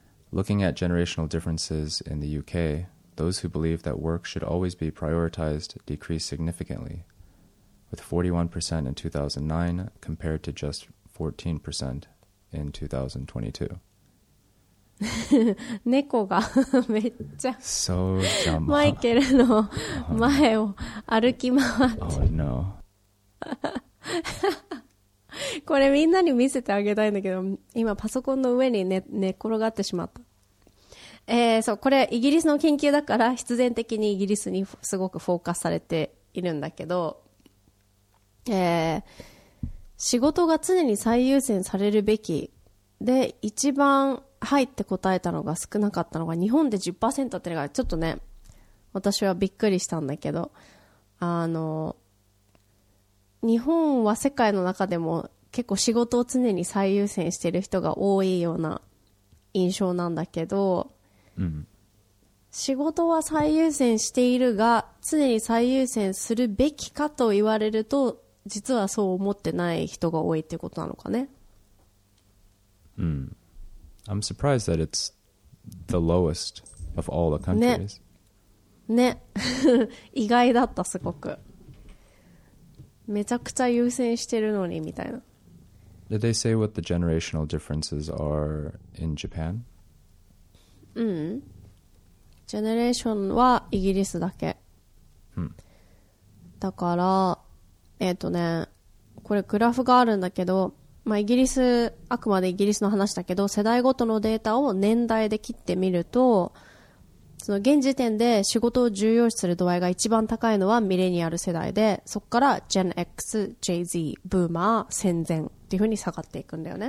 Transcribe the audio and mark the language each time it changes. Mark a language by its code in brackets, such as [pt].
[en] Looking at generational differences in the UK, those who believe that work should always be prioritized decreased significantly, with 41% in 2009 compared to just 14% in 2022. [ja] 猫がめっちゃ [en] So dumb. [ja] マイケルの前を歩き回って [en] 。 Oh no. [ja] これみんなに見せてあげたいんだけど、今パソコンの上に寝転がってしまった。そう、これイギリスの研究だから必然的にイギリスにすごくフォーカスされているんだけど、仕事が常に最優先されるべきで、一番はいって答えたのが少なかったのが日本で 10% ってのがちょっとね、私はびっくりしたんだけど、あの日本は世界の中でも結構仕事を常に最優先している人が多いような印象なんだけど、うん、仕事は最優先しているが常に最優先するべきかと言われると、実はそう思ってない人が多いっていうことなのかね。 [en] うん、I'm surprised that it's the lowest of all the countries. [ja] ね、意外だったすごく。めちゃくちゃ優先してるのにみたいな。 [en] Did they say what the generational differences are in Japan? [ja] うん。ジェネレーションはイギリスだけ。 Hmm. だから、これグラフがあるんだけど、まあ、イギリス、あくまでイギリスの話だけど、世代ごとのデータを年代で切ってみると、その現時点で仕事を重要視する度合いが一番高いのはミレニアル世代で、そこから Gen X、JZ、ブーマー、戦前っていう風に下がっていくんだよね。